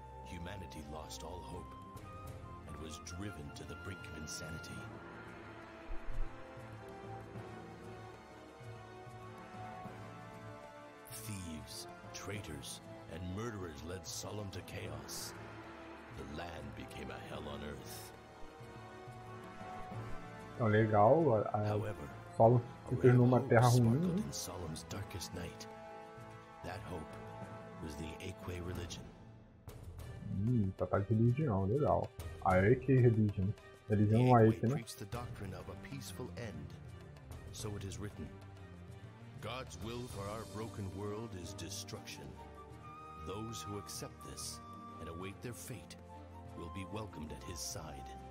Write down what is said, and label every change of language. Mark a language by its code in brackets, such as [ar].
[en] Humanity lost all hope and was driven to the brink of insanity. Thieves, traitors, and murderers led Solemn to chaos. The land became a hell on earth. [pt] Então, legal, however, Solemn se tornou uma terra ruim. [en] In Solemn's darkest night, that hope was the Aque religion. [pt] Tá de religião, legal. A Aque religion. Religião Aque, né? [en] Preaches the doctrine of a peaceful end. So it is written. God's will for our broken world is destruction. Those who accept this and await their fate will be welcomed at his side.